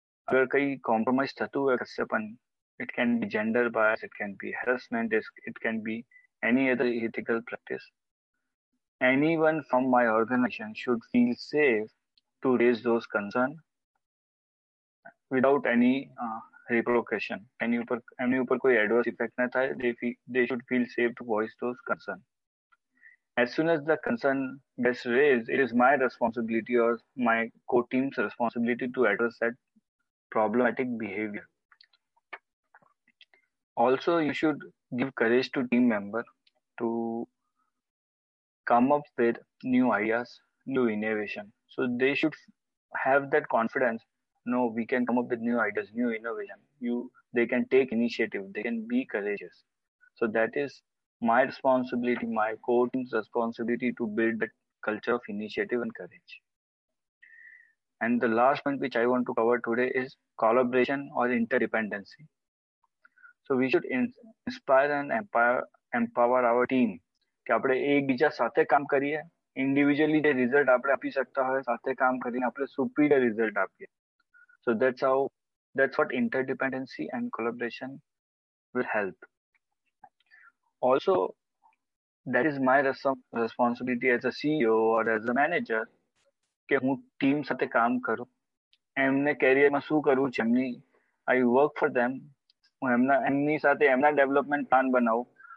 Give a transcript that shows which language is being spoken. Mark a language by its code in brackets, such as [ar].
[gu] અગર કંઈ કોમ્પ્રોમાઇઝ થતું હોય કશે પણ, [en] It can be gender bias, it can be harassment, it can be any other ethical practice, any one from my organisation should feel safe to raise those concern without any repercussion. Any [hi] upar koi [en] adverse effect [hi] na tha, [en] they should feel safe to voice those concerns. As soon as the concern gets raised, it is my responsibility or my core team's responsibility to address that problematic behavior. Also, you should give courage to team member to come up with new ideas, new innovation. So they should have that confidence. No, we can come up with new ideas, new innovation. They can take initiative. They can be courageous. So that is my responsibility, my core team's responsibility to build that culture of initiative and courage. And the last point which I want to cover today is collaboration or interdependency. So we should inspire and empower our team. [gu] કે આપણે એકબીજા સાથે કામ કરીએ, individually જે result આપણે આપી શકતા હોય સાથે કામ કરીને આપણે સુપીરિયર રિઝલ્ટ આપીએ. [en] So that's how, that's what interdependency and collaboration will help. Also that is my responsibility as a CEO or as a manager [gu] કે હું ટીમ સાથે કામ કરું, એમને કેરિયરમાં શું કરવું છે, એમની [en] I work for them, [gu] હું એમની સાથે એમના ડેવલપમેન્ટ પ્લાન બનાવું.